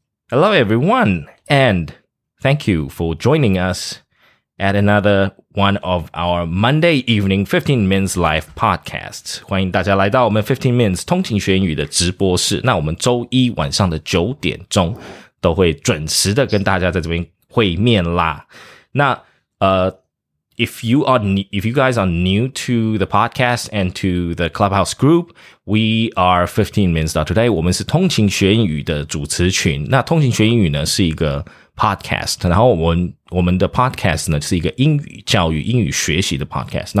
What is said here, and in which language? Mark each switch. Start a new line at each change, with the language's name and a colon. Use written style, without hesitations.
English: Hello, everyone, and thank you for joining us at another one of our Monday evening 15 Minutes Live podcasts.
Chinese: 欢迎大家来到我们15 Minutes 通勤学英语的直播室。那我们周一晚上的9点都会准时的跟大家在这边会面啦。
English: 那if you guys are new to the podcast and to the Clubhouse group, we are 15minutes.today.
Chinese: 我们是通勤学英语的主持群。那通勤学英语呢是一个 podcast, 然后我们的 podcast 呢是一个英语教育英语学习的 podcast。